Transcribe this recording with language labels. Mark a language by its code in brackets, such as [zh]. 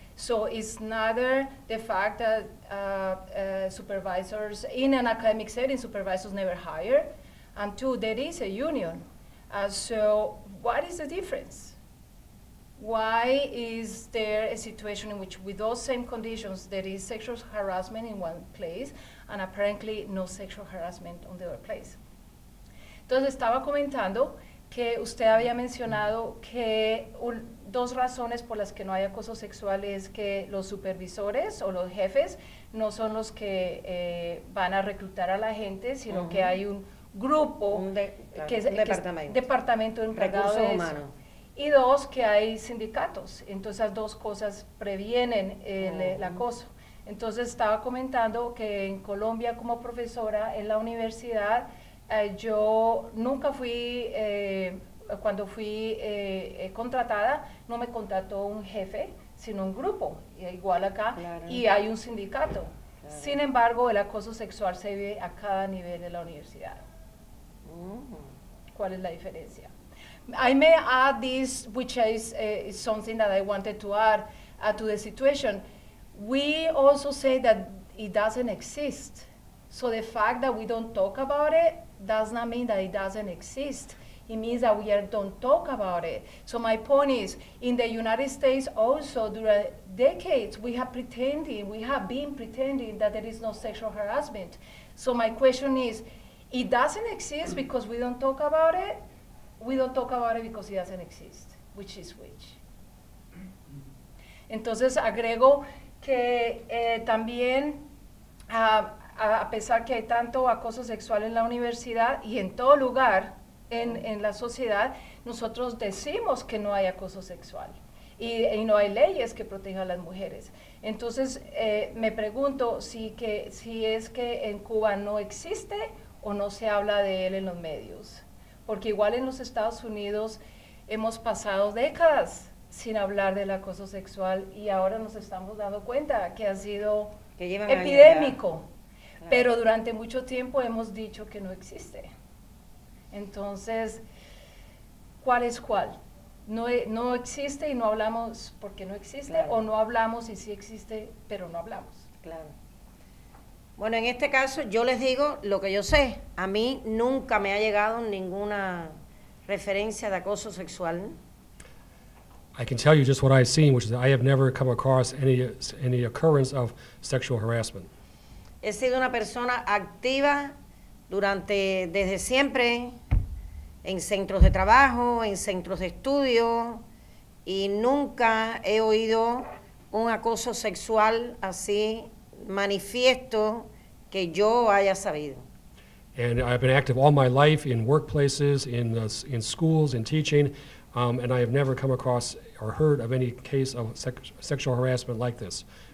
[en] So it's neither the fact that supervisors, in an academic setting, supervisors never hire, and two, there is a union. So what is the difference? Why is there a situation in which, with those same conditions, there is sexual harassment in one place, and apparently no sexual harassment on the other place? [es] Entonces, estaba comentando que usted había mencionado que dos razones por las que no hay acoso sexual es que los supervisores o los jefes no son los que van a reclutar a la gente, sino uh-huh. que hay un grupo, un departamento de empleados. Recursos humanos. Y dos, que hay sindicatos. Entonces, esas dos cosas previenen el acoso. Entonces, estaba comentando que en Colombia, como profesora en la universidad, yo nunca fui, cuando fui contratada, no me contrató un jefe, sino un grupo, igual acá, claro. Y hay un sindicato. Claro. Sin embargo, el acoso sexual se vive a cada nivel de la universidad. ¿Cuál es la diferencia? [en] I may add this, which is something that I wanted to add to the situation. We also say that it doesn't exist. So the fact that we don't talk about it does not mean that it doesn't exist. It means that we don't talk about it. So my point is, in the United States also, during decades, we have been pretending that there is no sexual harassment. So my question is, it doesn't exist because we don't talk about it, We don't talk about it because it doesn't exist, which is which. [es] Entonces, agrego que también, a pesar que hay tanto acoso sexual en la universidad y en todo lugar en la sociedad, nosotros decimos que no hay acoso sexual y no hay leyes que protejan a las mujeres. Entonces, me pregunto si es que en Cuba no existe o no se habla de él en los medios. Porque igual en los Estados Unidos hemos pasado décadas sin hablar del acoso sexual y ahora nos estamos dando cuenta que ha sido epidémico. Pero durante mucho tiempo hemos dicho que no existe. Entonces, ¿cuál es cuál? No existe y no hablamos porque no existe, claro. O no hablamos y sí existe, pero no hablamos. Claro. Bueno, en este caso yo les digo lo que yo sé. A mí nunca me ha llegado ninguna referencia de acoso sexual. [en] I can tell you just what I've seen, which is that I have never come across any occurrence of sexual harassment. [es] He sido una persona activa desde siempre en centros de trabajo, en centros de estudio, y nunca he oído un acoso sexual así manifiesto que yo haya sabido. [en] And I've been active all my life in workplaces, in schools, in teaching, and I have never come across or heard of any case of sexual harassment like this.